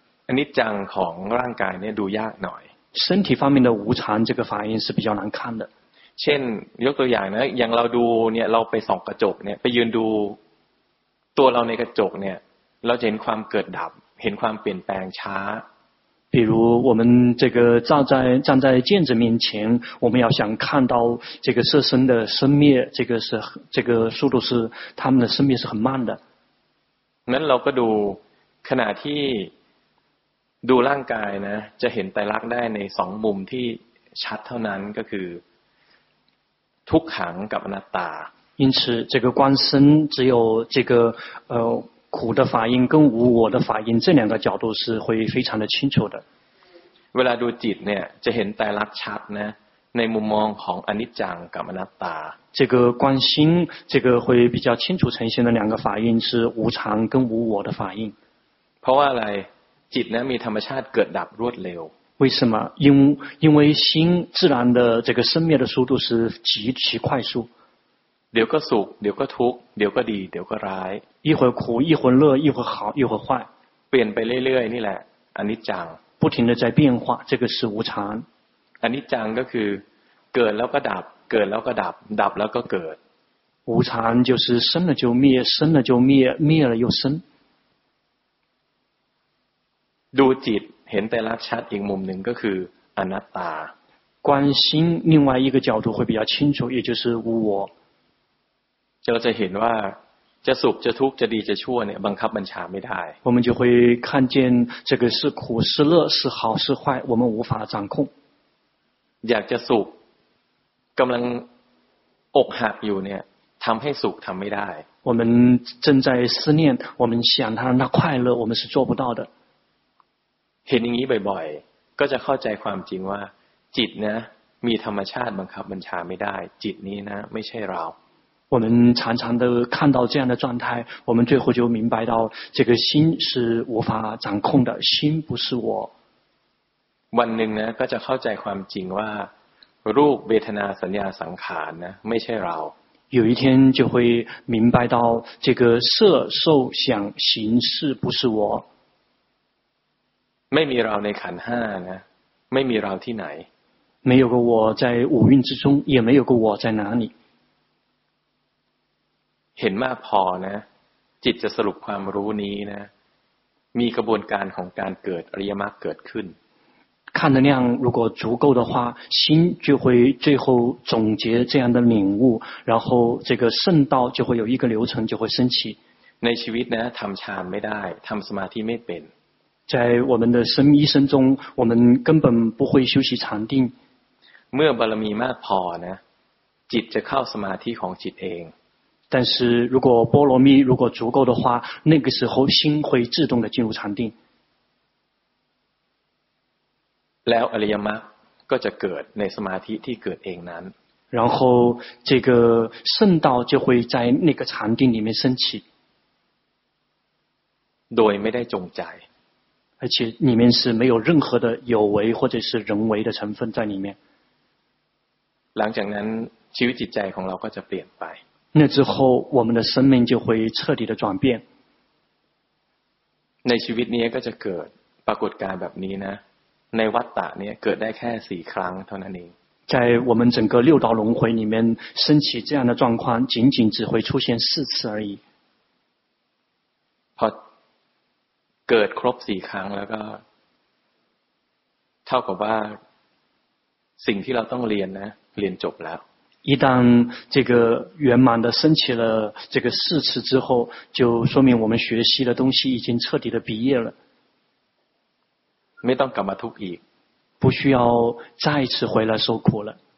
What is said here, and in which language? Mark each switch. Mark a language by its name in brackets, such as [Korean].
[Thai] อนิจจังของร่างกายเนี่ยดูยากหน่อย [Chinese] 身体方面的无常这个法印是比较难看的 [Thai] เช่นยกตัวอย่างนะอย่างเราดูเนี่ยเราไปส่องกระจกเนี่ยไปยืนดูตัวเราในกระจกเนี่ยเราจะเห็นความเกิดดับเห็นความเปลี่ยนแปลงช้า [Chinese] 比如我们这个站在镜子面前我们要想看到这个色身的生灭这个是这个速度是他们的生灭是很慢的 [Thai] นั้นเราก็ดูขณะที่ดูร่างกายนะจะเห็นไตรลักษณ์ได้ในสองมุมที่ชัดเท่านั้นก็คือทุกขังกับอนัตตา [Chinese] 因此这个观身只有这个苦的法印跟无我的法印这两个角度是会非常的清楚的 [Thai] เวลาดูจิตเนี่ยจะเห็นไตรลักษณ์ชัดนะในมุมมองของอนิจจังกับอนัตตา [Chinese] 这个观心这个会比较清楚呈现的两个法印是无常跟无我的法印 [Thai] เพราะว่าอะไรจิตนะมีธรรมชาติเกิดดับรวดเร็ว [Chinese] 为什么因为心自然的这个生灭的速度是极其快速 [Thai] เดี๋ยวก็สุขเดี๋ยวก็ทุกข์เดี๋ยวก็ดีเดี๋ยวก็ร้าย [Chinese] 一会苦一会乐一会好一会坏 [Thai] เปลี่ยนไปเรื่อยๆนี่แหละอนิจจัง [Chinese] 不停的在变化这个是无常 [Thai] อนิจจังก็คือเกิดแล้วก็ดับเกิดแล้วก็ดับดับแล้วก็เกิด [Chinese] 无常就是生了就灭生了就灭灭了又生 [Thai] ดูจิตเห็นไตรลักษณ์ชัดอีกมุมหนึ่งก็คืออนัตตา [Chinese] 观心另外一个角度会比较清楚也就是无我 [Thai] เราจะเห็นว่าจะสุขจะทุกข์จะดีจะชั่วเนี่ยบังคับบัญชาไม่ได้ [Chinese] 我们就会看见这个是苦是乐是好是坏我们无法掌控 [Thai] อยากจะสุขกำลังอกหักอยู่เนี่ยทำให้สุขทำไม่ได้ [Chinese] 我们正在思念我们想他那快乐我们是做不到的 [Thai] เห็นอย่างนี้บ่อยๆก็จะเข้าใจความจริงว่าจิตนะมีธรรมชาติบังคับบัญชาไม่ได้จิตนี้นะไม่ใช่เรา [Chinese] 我们常常的看到这样的状态我们最后就明白到这个心是无法掌控的心不是我 [Thai] วันหนึ่งนะก็จะเข้าใจความจริงว่ารูปเวทนาสัญญาสังขารนะไม่ใช่เรา [Chinese] 有一天就会明白到这个色受想行识不是我 [Thai] ไม่มีเราในขันธ์ 5นะไม่มีเราที่ไหน [Chinese] 没有个我在五蕴之中也没有个我在哪里 [Thai] เห็นมากพอนะจิตจะสรุปความรู้นี้นะมีกระบวนการของการเกิดอริยมรรคเกิดขึ้น [Chinese] 看的量如果足够的话心就会最后总结这样的领悟然后这个圣道就会有一个流程就会升起 [Thai] ในชีวิตนะทำฌานไม่ได้ทำสมาธิไม่เป็น [Chinese] 在我们的生一生中我们根本不会修习禅定 [Thai] เมื่อบารมีมากพอนะจิตจะเข้าสมาธิของจิตเอง [Chinese] 但是如果波罗蜜如果足够的话那个时候心会自动的进入禅定 [Thai] แล้วอริยมรรคก็จะเกิดในสมาธิที่เกิดเองนั้น [Chinese] 然后这个圣道就会在那个禅定里面升起 [Thai] โดยไม่ได้จงใจ [Chinese] 而且里面是没有任何的有为或者是人为的成分在里面 [Thai] หลังจากนั้นชีวิตจิตใจของเราก็จะเปลี่ยนไป นั่นจากนั้นเราจะมีชีวิตที่ดีขึ้นในชีวิตนี้ก็จะเกิดปรากฏการณ์แบบนี้นะในวัฏฏะเนี่ยเกิดได้แค่4ครั้งเท่านั้นเอง [Chinese] 在我们整个六道轮回里面升起这样的状况仅仅只会出现四次而已 [Thai] พอเกิดครบสี่ครั้งแล้วก็เท่ากับว่าสิ่งที่เราต้องเรียนนะเรียนจบแล้ว [Chinese] 一旦这个圆满的升起了这个四次之后就说明我们学习的东西已经彻底的毕业了 [Thai] ไม่ต้องกลับมาทุกข์อีก [Chinese] 不需要再次回来受苦了